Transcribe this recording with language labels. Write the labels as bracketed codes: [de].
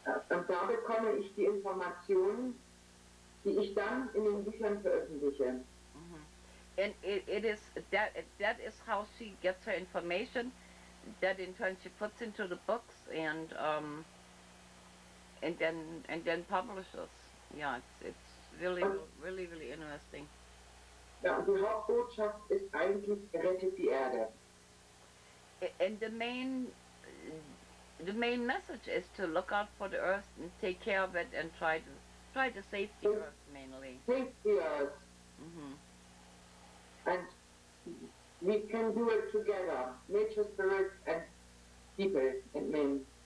[de] Und da bekomme ich die Informationen, die ich dann in den Büchern veröffentliche. [en] And it is that is how she gets her information, that in turn she puts into the books and then publishes. Yeah, it's really, really, really interesting. [de] Ja, und die Hauptbotschaft ist eigentlich, rettet die Erde. [en] And the main message is to look out for the Earth and take care of it and try to save the Earth mainly. Save the Earth. Mm-hmm. And we can do it together, nature, spirit, and people, and men.